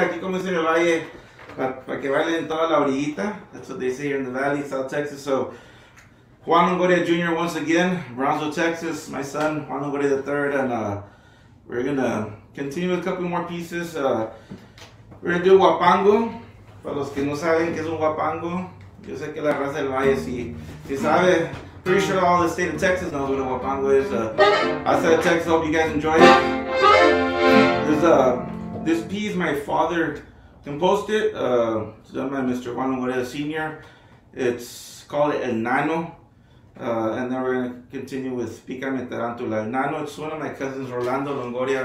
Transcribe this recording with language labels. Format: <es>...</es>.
<es>Aquí como dice en el valle, para que bailen toda la orillita.</es> <en>That's what they say here in the valley, South Texas. So, Juan Longoria Jr. once again, Brownsville, Texas. My son, Juan Longoria III. And we're going to continue with a couple more pieces. We're going to do guapango.</en> <es>Para los que no saben que es un guapango, yo sé que la raza del valle sí sabe.</es> <en>Pretty sure all the state of Texas knows what a guapango is. Outside of Texas, hope you guys enjoy it. This piece, my father composed it. It's done by Mr. Juan Longoria Sr. It's called El Nano. And then we're going to continue with Pícame Tarantula. El Nano, it's one of my cousins, Rolando Longoria.</en>